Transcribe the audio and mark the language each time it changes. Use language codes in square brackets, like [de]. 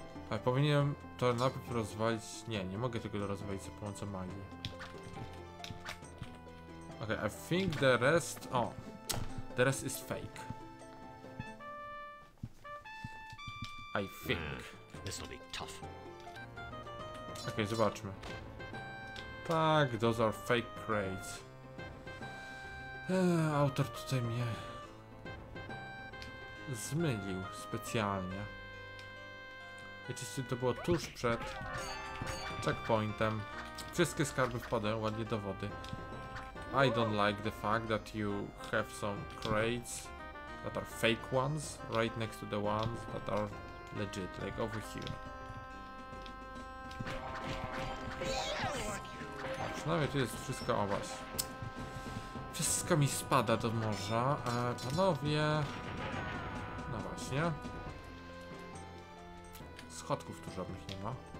[pl] A powinienem to najpierw rozwalić. Nie, nie mogę tego rozwalić za pomocą magii. [en] Okej, okay, I think the rest. O! Oh, the rest is fake. I think. This'll be tough. [pl] Okej, zobaczmy. [en] Tak, those are fake crates. [pl] Autor tutaj mnie zmylił specjalnie. Wiecie, to było tuż przed checkpointem. Wszystkie skarby wpadają ładnie do wody. [en] I don't like the fact that you have some crates that are fake ones right next to the ones that are legit, like over here. [pl] A przynajmniej tu jest wszystko, o was. Wszystko mi spada do morza. Panowie... No właśnie. Schodków tu żadnych nie ma.